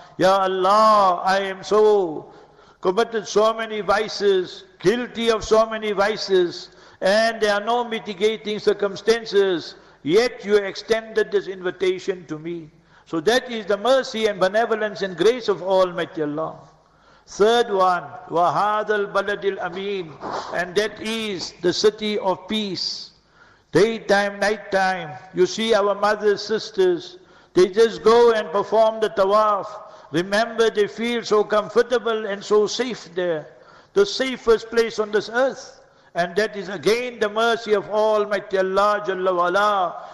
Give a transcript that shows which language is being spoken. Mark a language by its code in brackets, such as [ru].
[en] Ya Allah, I am so committed so many vices, guilty of so many vices, and there are no mitigating circumstances. Yet you extended this invitation to me. So that is the mercy and benevolence and grace of Almighty Allah. Third one, [ar] وَهَذَا الْبَلَدِ الْأَمِينِ. [en] And that is the city of peace. Daytime, nighttime, you see our mothers, sisters, they just go and perform the tawaf. Remember, they feel so comfortable and so safe there. The safest place on this earth. And that is again the mercy of Almighty Allah Jalla Wala.